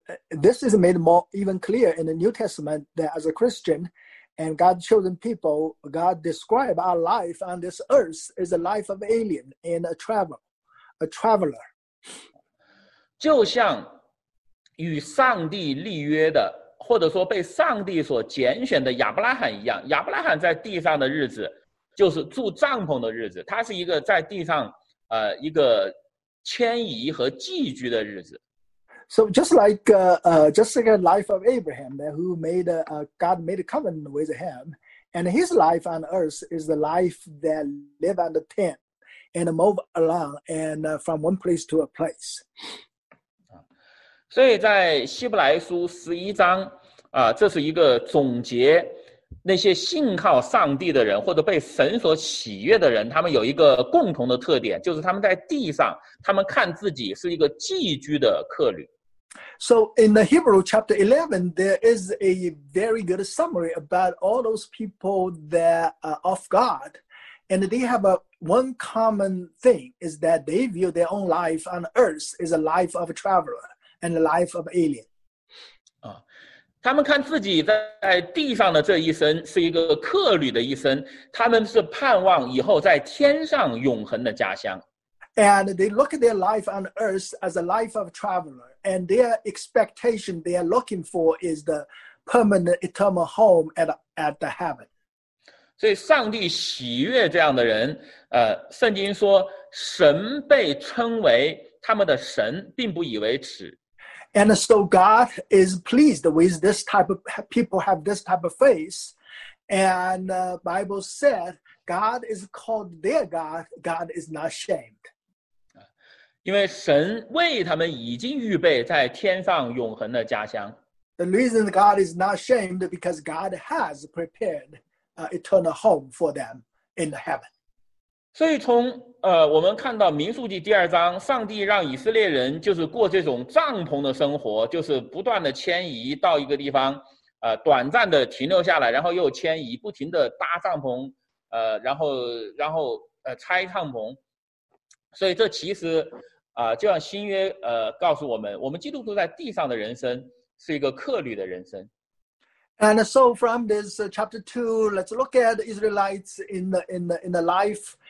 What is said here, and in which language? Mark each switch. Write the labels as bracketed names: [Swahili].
[English] This is made more even clear in the New Testament that as a Christian and God's chosen people, God described our life on this earth as a life of alien and a traveler. [Chinese] 就像与上帝立约的，或者说被上帝所拣选的亚伯拉罕一样，亚伯拉罕在地上的日子就是住帐篷的日子，他是一个在地上一个迁移和寄居的日子。 [English] So just like the life of Abraham, who made God made a covenant with him, and his life on earth is the life that live on the tent, and move along and from one place to a place. [Chinese] 所以在希伯来书十一章啊，这是一个总结那些信靠上帝的人或者被神所喜悦的人，他们有一个共同的特点，就是他们在地上，他们看自己是一个寄居的客旅。 [English] So in the Hebrew chapter 11, there is a very good summary about all those people that are of God. And they have a one common thing is that they view their own life on earth as a life of a traveler and a life of alien. [Chinese] 他们看自己在地上的这一生是一个客旅的一生，他们是盼望以后在天上永恒的家乡。 [English] And they look at their life on earth as a life of a traveler, and their expectation they are looking for is the permanent eternal home at the heaven. [Chinese] 所以上帝喜悦这样的人，圣经说神被称为他们的神，并不以为耻。 [English] And so God is pleased with this type of people have this type of faith. And the Bible said, God is called their God. God is not ashamed. [Chinese] 因为神为他们已经预备在天上永恒的家乡。 [English] The reason God is not ashamed because God has prepared eternal home for them in the heaven. [Chinese] 所以从我们看到民数记第二章，上帝让以色列人就是过这种帐篷的生活，就是不断的迁移到一个地方，短暂的停留下来，然后又迁移，不停的搭帐篷，然后拆帐篷。所以这其实就像新约告诉我们，我们基督徒在地上的人生是一个客旅的人生。 [English] And so from this chapter 2, let's look at the Israelites in the life.